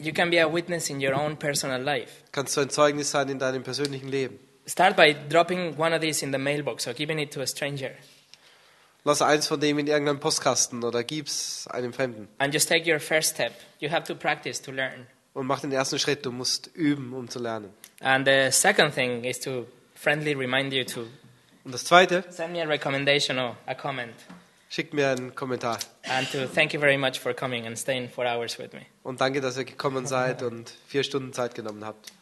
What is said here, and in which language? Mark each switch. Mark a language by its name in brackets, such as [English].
[English] You can be a witness in your own personal life. [German] Kannst du ein Zeugnis sein in deinem persönlichen Leben. [English] Start by dropping one of these in the mailbox or giving it to a stranger. [German] Lass eins von dem in irgendeinen Postkasten oder gib's einem Fremden. [English] And just take your first step. You have to practice to learn. [German] Und mach den ersten Schritt, du musst üben, um zu lernen. [English] And the second thing is to friendly remind you to. [German] Und das zweite, [English] send me a recommendation or a comment. [German] Schickt mir einen Kommentar. [English] And to thank you very much for coming and staying 4 hours with me. [German] Und danke, dass ihr gekommen seid und 4 Stunden Zeit genommen habt.